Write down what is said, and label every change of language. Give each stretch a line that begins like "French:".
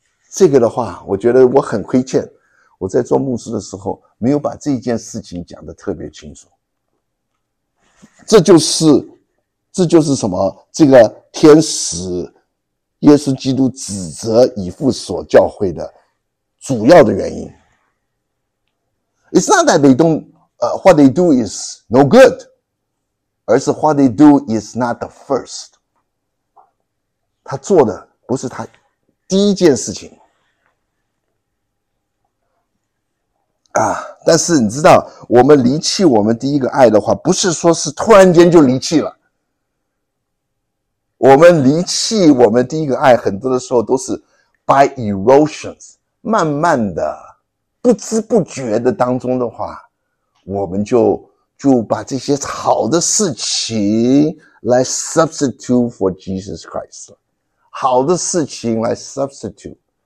Chinese: 这个的话，我觉得我很亏欠。我在做牧师的时候，没有把这件事情讲得特别清楚。这就是什么？这个天使，耶稣基督指责以弗所教会的主要的原因。
English: It's not that they don't, what they do is no good.
Chinese: 而是
English: what they do is not the first.
Chinese: 他做的不是他第一件事情啊，但是你知道，我们离弃我们第一个爱的话，不是说是突然间就离弃了。我们离弃我们第一个爱，很多的时候都是
English: by erosions，
Chinese: 慢慢的、不知不觉的当中的话，我们就把这些好的事情来
English: substitute for Jesus Christ
Chinese: 了。好的事情来
English: substitute